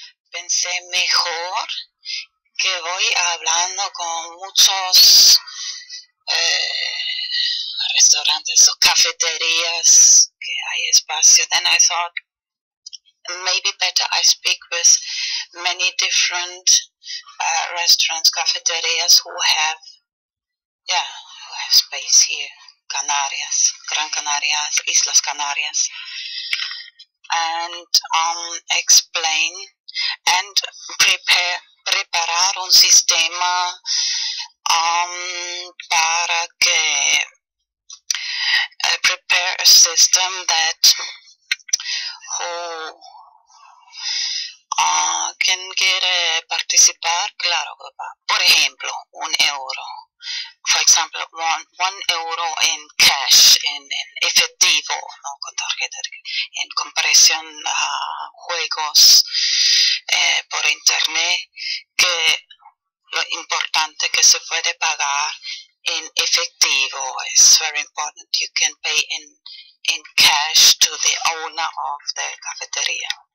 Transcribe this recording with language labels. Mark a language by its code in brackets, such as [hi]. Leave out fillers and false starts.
[es] Pensé mejor que voy hablando con muchos restaurantes o cafeterías que hay espacio. [en] Then I thought maybe better I speak with many different restaurants, cafeterias who have, yeah, who have space here. [es] Canarias, Gran Canarias, Islas Canarias, [en] and explain and [es] preparar un sistema para que [en] prepare a system that who [es] quien quiere participar, claro, por ejemplo, un euro. [en] For example, one euro in cash, in [es] efectivo, no con tarjeta, en comparación a juegos por internet, que lo importante que se puede pagar en efectivo. [en] It's very important. You can pay in cash to the owner of the cafeteria.